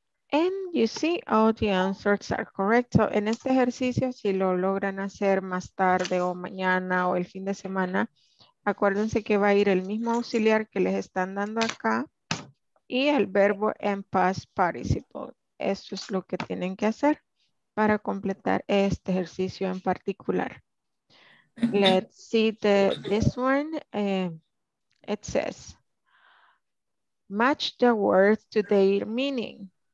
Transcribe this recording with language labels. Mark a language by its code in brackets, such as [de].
[en] And you see all the answers are correct. [es] So en este ejercicio, si lo logran hacer más tarde o mañana o el fin de semana, Acuérdense que va a ir el mismo auxiliar que les están dando acá y el verbo en past participle. Eso es lo que tienen que hacer para completar este ejercicio en particular. [en] Let's see this one. It says, match the words to their meaning.